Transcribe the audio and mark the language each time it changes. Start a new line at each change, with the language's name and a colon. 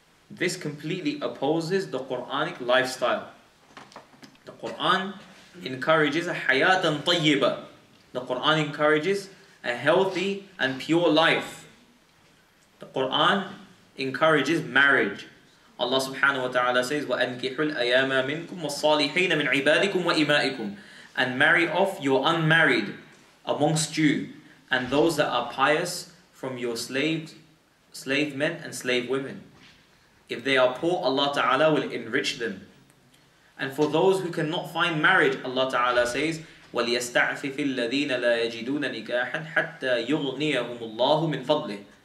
English: This completely opposes the Quranic lifestyle. The Quran encourages a hayatan tayyiba. The Quran encourages a healthy and pure life. The Quran encourages marriage. Allah subhanahu wa ta'ala says,
Arabic: وَأَنْكِحُ الْأَيَامَ مِنْكُمْ وَالصَّالِحِينَ مِنْ عِبَادِكُمْ وَإِمَائِكُمْ.
English: And marry off your unmarried amongst you and those that are pious from your slave men and slave women. If they are poor, Allah Ta'ala will enrich them. And for those who cannot find marriage, Allah Ta'ala says,
Arabic: وَلْيَسْتَعْفِفِ الَّذِينَ لَا يَجِدُونَ نِكَاحًا حَتَّى يُغْنِيَهُمُ اللَّهُ مِنْ فَضْلِهِ.